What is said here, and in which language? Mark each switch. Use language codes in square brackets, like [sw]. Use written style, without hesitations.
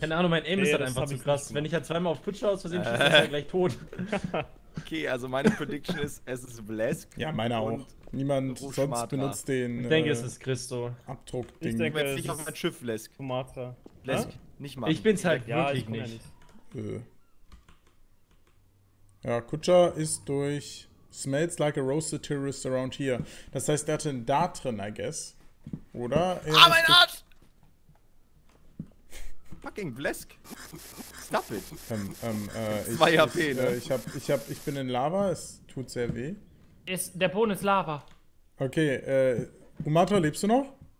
[de] Keine Ahnung, mein Aim ist halt einfach zu krass. Wenn ich halt zweimal auf Putsch aus Versehen schieße, ist er gleich tot. Okay, also meine Prediction ist, es ist Blesk. Ja, meine auch. Niemand sonst benutzt den. Ich denke, es ist Christo. Abdruckding. Ich denke, es ist auf mein Schiff, Blesk. Sumatra. Blesk, nicht mal. Ich bin's halt wirklich nicht. Ja, Kutscher ist durch. [en] Smells like a roasted terrorist around here. [de] Das heißt, der hatte einen Dart drin, [en] I guess. [de] Oder? Ah, mein Arsch! [en] Fucking Blesk. Stop it. [de] 2 HP, ne? Ich bin in Lava, es tut sehr weh. Der Boden ist Lava. Okay, Umato, lebst du noch?